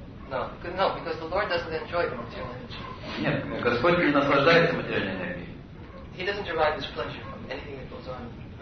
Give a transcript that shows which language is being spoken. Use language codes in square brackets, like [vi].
[en] No, because the Lord doesn't enjoy the material energy. [ru] Нет, Господь не наслаждается материальной энергией. [en] He doesn't derive this pleasure from anything that goes on.